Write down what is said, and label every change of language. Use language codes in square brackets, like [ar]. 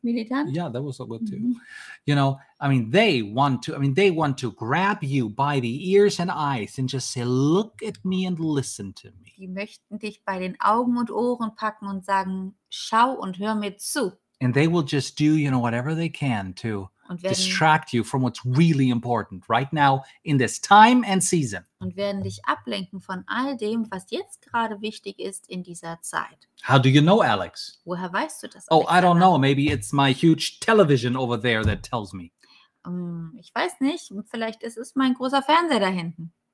[en] Yeah, that was so good too. You know, I mean, they want to grab you by the ears and eyes and just say, look at me and listen to me. [de] Die möchten dich bei den Augen und Ohren packen und sagen, schau und hör mir zu. [en] And they will just do, you know, whatever they can to distract you from what's really important right now in this time and season. [de] Und werden dich ablenken von all dem, was jetzt gerade wichtig ist in dieser Zeit. [en] How do you know, Alex? [de] Woher weißt du das, [en] Alex? Oh, I don't know. Maybe it's my huge television over there that tells me. [de] Ich weiß nicht. Vielleicht ist es mein großer Fernseher da hinten.